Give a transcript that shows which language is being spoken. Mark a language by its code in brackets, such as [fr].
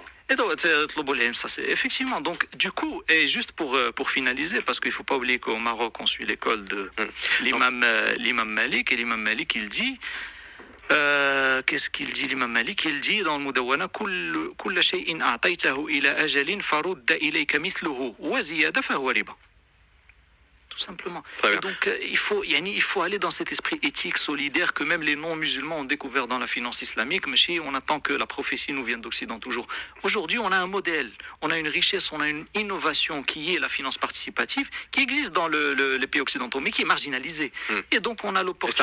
[fr] Effectivement, donc du coup, et juste pour finaliser, parce qu'il ne faut pas oublier qu'au Maroc, on suit l'école de l'imam Malik, et l'imam Malik, il dit... qu'est-ce qu'il dit l'imam Malik? Il dit dans le Mudawana [ar] كل شيء اعطيته الى اجل فرد اليك مثله وزياده فهو ربا. [fr] Tout simplement. Et donc il faut aller dans cet esprit éthique solidaire que même les non-musulmans ont découvert dans la finance islamique. Mais on attend que la prophétie nous vienne d'Occident toujours. Aujourd'hui, on a un modèle, on a une richesse, on a une innovation qui est la finance participative, qui existe dans les pays occidentaux, mais qui est marginalisée. Et donc on a l'opportunité.